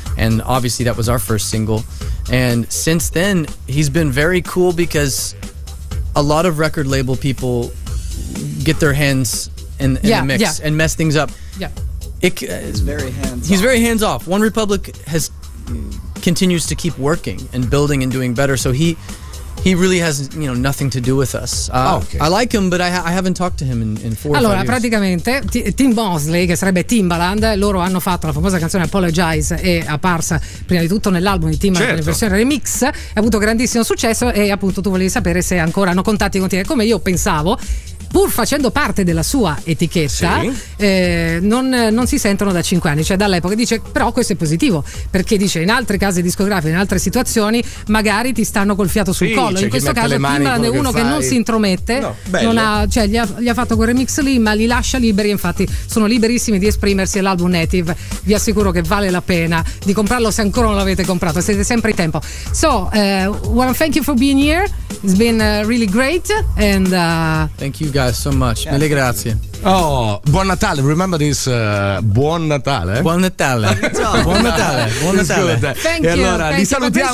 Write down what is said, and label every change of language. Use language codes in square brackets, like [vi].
[en] And obviously that was our first single. And since then, he's been very cool because a lot of record label people get their hands in the mix and mess things up. Yeah. He's very hands off. One Republic continues to keep working and building and doing better. So he really has, you know, nothing to do with us. I like him, but I haven't talked to him in 4 years. [it] Allora, praticamente Tim Mosley, che sarebbe Timbaland, loro hanno fatto la famosa canzone Apologize, è apparsa prima di tutto nell'album di Timbaland, certo. In versione remix, ha avuto grandissimo successo e appunto tu volevi sapere se ancora hanno contatti con te, come io pensavo. Pur facendo parte della sua etichetta, non si sentono da 5 anni, cioè dall'epoca. Dice, però questo è positivo, perché dice in altre case discografiche, in altre situazioni, magari ti stanno col fiato sul collo. Cioè, in questo caso Timbaland è uno che non si intromette, non ha, cioè, gli ha fatto quel remix lì, ma li lascia liberi. Infatti sono liberissimi di esprimersi all'album Native. Vi assicuro che vale la pena di comprarlo se ancora non l'avete comprato. Siete sempre in tempo. [en] So, thank you for being here. It's been really great. And thank you guys so much. [it] Mille grazie. Oh, buon Natale. [en] Remember this. [it] Buon Natale. Buon Natale. Buon Natale. Buon Natale. [en] Thank you. [it] Allora, [en] thank [it] li salutiamo.